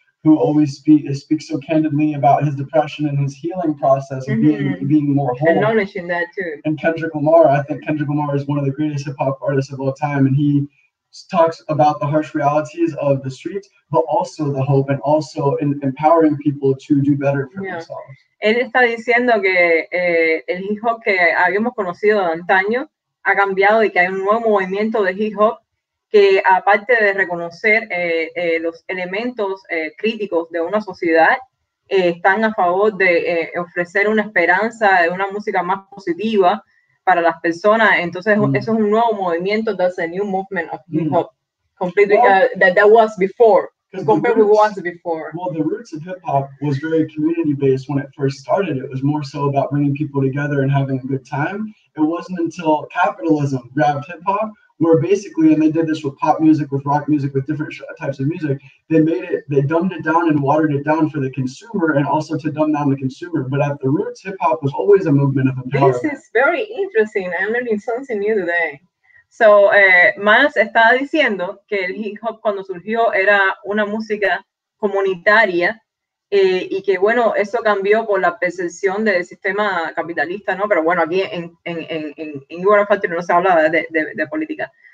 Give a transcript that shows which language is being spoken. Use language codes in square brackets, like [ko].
[en] who always speaks so candidly about his depression and his healing process and being more whole. Acknowledging that too. And Kendrick Lamar, I think Kendrick Lamar is one of the greatest hip hop artists of all time, and he talks about the harsh realities of the streets, but also the hope and also in empowering people to do better for themselves. [es] Él está diciendo que el hip hop que habíamos conocido de antaño ha cambiado y que hay un nuevo movimiento de hip hop que aparte de reconocer los elementos críticos de una sociedad, están a favor de ofrecer una esperanza de una música más positiva para las personas. Entonces eso es un nuevo movimiento, [en] that's a new movement of hip hop, that was before. Compared with what was before. Well, the roots of hip hop was very community based when it first started. It was more so about bringing people together and having a good time. It wasn't until capitalism grabbed hip hop, where basically, and they did this with pop music, with rock music, with different types of music, they dumbed it down and watered it down for the consumer and also to dumb down the consumer. But at the roots, hip hop was always a movement of empowerment. This is very interesting. I'm learning something new today. [es] So, Miles estaba diciendo que el hip hop cuando surgió era una música comunitaria y que, bueno, eso cambió por la percepción del sistema capitalista, ¿no? Pero bueno, aquí en Igual Factory no se habla de política.